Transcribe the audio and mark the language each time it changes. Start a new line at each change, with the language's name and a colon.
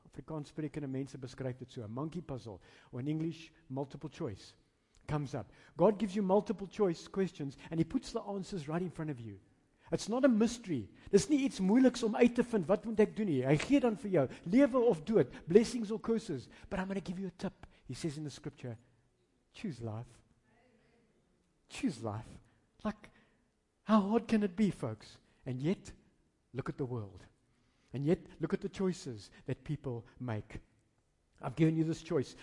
Afrikaans: Afrikaans sprekende mense beskryf dit so, 'n
English: monkey puzzle. Or in English, multiple choice comes up. God gives you multiple choice questions and He puts the answers right in front of you. It's not a mystery.
Afrikaans: Dis nie iets moeiliks om uit te vind wat moet ek doen nie. Hy gee dan vir jou lewe of dood,
English: blessings or curses. But I'm going to give you a tip. He says in the scripture, choose life. Choose life. Like, how hard can it be, folks? And yet, look at the world. And yet, look at the choices that people make. I've given you this choice.